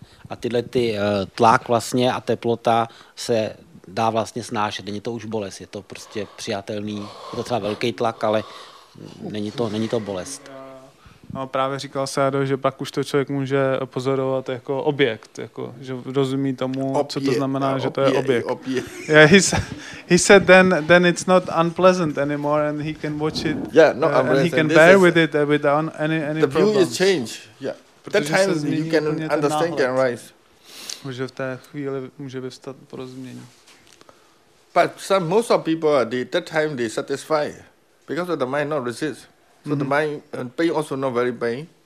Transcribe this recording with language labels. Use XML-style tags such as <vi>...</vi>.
<cs>A tyhle ty tlak vlastně a teplota se dá vlastně snášet. Není to už bolest, je to prostě přijatelný. Je to třeba velký tlak, ale není to bolest. No, právě říkal Sádo, že pak už to člověk může pozorovat jako objekt, jako, že rozumí tomu, co to znamená, že to je objekt.</cs> <en>Yeah, he said then it's not unpleasant anymore and he can watch it. Yeah, no, and he can bear with it without any the problems. The view is change. Yeah. That time you can understand and rise.</en> <cs>Může v té chvíli může vyvstat porozumění.</cs> <en>But some most of people at that time they satisfy because of the mind not resist. So the mind pain also not very pain.</en>